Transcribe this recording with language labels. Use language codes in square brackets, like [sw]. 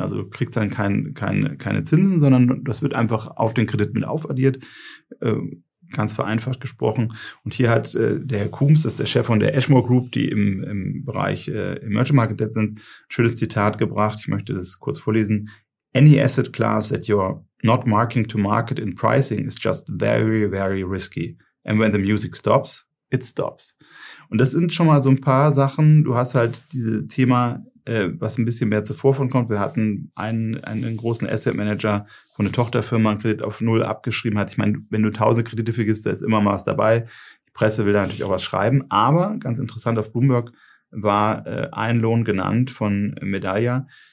[de] Also du kriegst dann keine Zinsen, sondern das wird einfach auf den Kredit mit aufaddiert. Ganz vereinfacht gesprochen. Und hier hat der Herr Coombs, das ist der Chef von der Ashmore Group, die im Bereich Emerging Market Debt sind, ein schönes Zitat gebracht. Ich möchte das kurz vorlesen. [en] Any asset class that you're not marking to market in pricing is just very, very risky. And when the music stops, it stops. [de] Und das sind schon mal so ein paar Sachen. Du hast halt dieses Thema, was ein bisschen mehr zuvor von kommt. Wir hatten einen großen Asset Manager, wo eine Tochterfirma einen Kredit auf null abgeschrieben hat. Ich meine, wenn du 1000 Kredite vergibst, da ist immer mal was dabei. Die Presse will da natürlich auch was schreiben. Aber ganz interessant, auf Bloomberg war ein Loan genannt von Medallia.